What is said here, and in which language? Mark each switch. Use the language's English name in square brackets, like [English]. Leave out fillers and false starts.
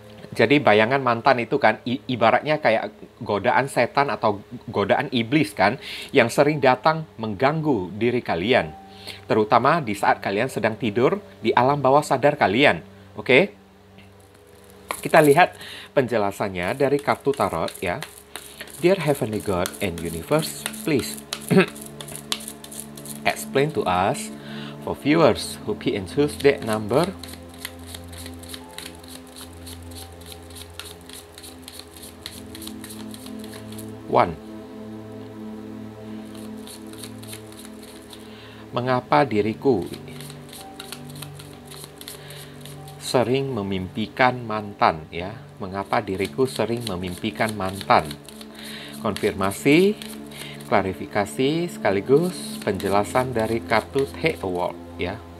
[Indonesian] Jadi bayangan mantan itu kan ibaratnya kayak godaan setan atau godaan iblis kan, yang sering datang mengganggu diri kalian. Terutama di saat kalian sedang tidur di alam bawah sadar kalian. Oke, kita lihat penjelasannya dari kartu tarot ya. [English] Dear Heavenly God and Universe, please explain to us. For viewers who pick and choose that number, one. [Indonesian] Mengapa diriku sering memimpikan mantan? Ya, mengapa diriku sering memimpikan mantan? Konfirmasi, klarifikasi, sekaligus penjelasan dari kartu The Award ya.